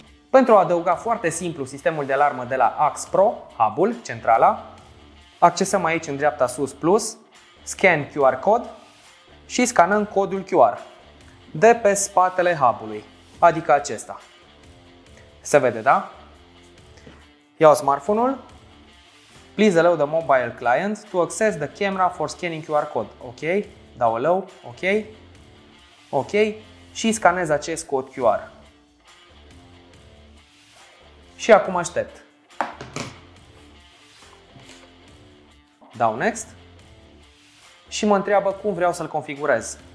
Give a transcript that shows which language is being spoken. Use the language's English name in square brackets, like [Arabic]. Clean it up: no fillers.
[Romanian] Pentru a adăuga foarte simplu sistemul de alarmă de la AX Pro, hub-ul, centrala, accesăm aici în dreapta sus plus, [English] scan QR code [Romanian] și scanăm codul QR de pe spatele hub-ului, adică acesta. Se vede, da? Iau smartphone-ul. [English] Please allow the mobile client to access the camera for scanning QR code. [Romanian] Ok, dau allow, ok, ok și scanez acest cod QR. Și acum aștept. Dau next. Și mă întreabă cum vreau să-l configurez.